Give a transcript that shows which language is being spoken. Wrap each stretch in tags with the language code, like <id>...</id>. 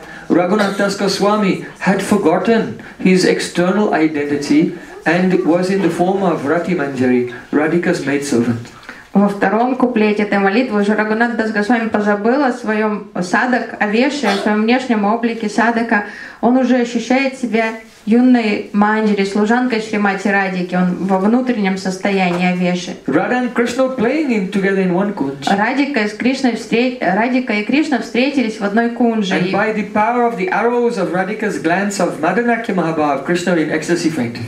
<en>Raghunath Das Goswami had forgotten his external identity and was in the form of Rati Manjari, Radhika's maidservant.</en> <ru>Во втором куплете этой молитвы уже Рагхунат Дас Госвами позабыл о своем садак авеше, о своем внешнем облике садака. Он уже ощущает себя юной Манджари, служанкой Шримати Радики. Он во внутреннем состоянии авеши.</ru> <en>Radha and Krishna playing together in one</en> <ru>Радика, с Кришной Радика и Кришна встретились в одной кунже.</ru> <en>And by the power of the arrows of Radhika's glance of Madanakya Mahabhav, Krishna in ecstasy fainted.</en>